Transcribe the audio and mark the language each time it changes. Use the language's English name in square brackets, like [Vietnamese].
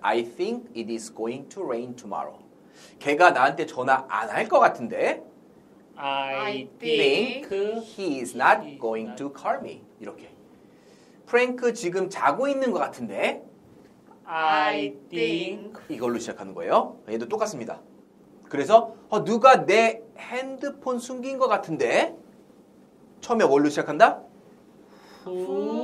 [English] I think it is going to rain tomorrow. [Korean] 걔가 나한테 전화 안 할 것 같은데? [English] I think he is not going to call me. [Korean] 이렇게. 프랭크 지금 자고 있는 것 같은데? [English] I think [Korean] 이걸로 시작하는 거예요. 얘도 똑같습니다. 그래서 누가 내 핸드폰 숨긴 것 같은데? 처음에 뭘로 시작한다? [English] Who?